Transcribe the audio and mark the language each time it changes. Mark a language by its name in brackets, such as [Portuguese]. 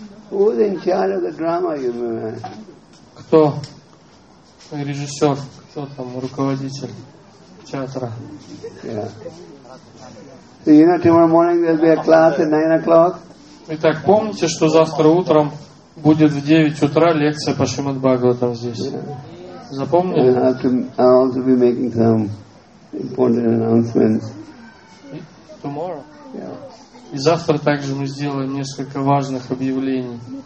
[English] Who's in charge of the drama, you mean? [Russian] Кто? Режиссер. Кто там руководитель театра? [English] So you know tomorrow morning there'll be a class at 9 o'clock. [Russian] Итак, помните, что завтра утром будет в 9 утра лекция по Шримад Бхагаватам здесь. Запомнили? [English] I'll also be making some important announcements. Tomorrow. Yeah. [Russian] И завтра также мы сделаем несколько важных объявлений.